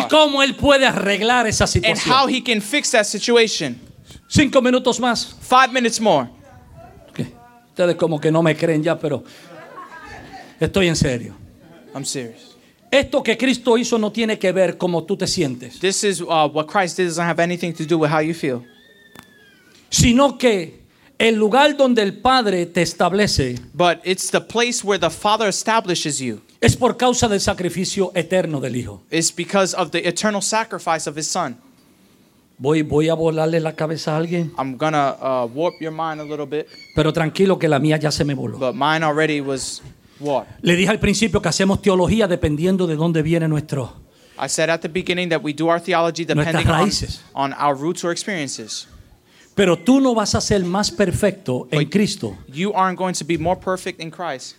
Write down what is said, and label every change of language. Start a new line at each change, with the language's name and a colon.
Spanish: Y cómo él puede arreglar esa situación.
English: And how he can fix that situation.
Spanish: 5 minutos más.
English: 5 minutes more. Okay.
Spanish: Ustedes como que no me creen ya, pero estoy en serio.
English: I'm serious.
Spanish: Esto que Cristo hizo no tiene que ver como tú te sientes.
English: This is what Christ did doesn't have anything to do with how you feel.
Spanish: Sino que el lugar donde el Padre te establece.
English: But it's the place where the Father establishes you.
Spanish: Es por causa del sacrificio eterno del Hijo.
English: It's because of the eternal sacrifice of his Son.
Spanish: Voy a volarle la cabeza a alguien.
English: I'm gonna warp your mind a little bit.
Spanish: Pero tranquilo que la mía ya se me voló.
English: But mine already was. What?
Spanish: Le dije al principio que hacemos teología dependiendo de dónde viene nuestro.
English: I said at the beginning that we do our theology depending on our roots or experiences.
Spanish: Pero tú no vas a ser más perfecto
English: but
Spanish: en Cristo.
English: You aren't going to be more perfect in Christ.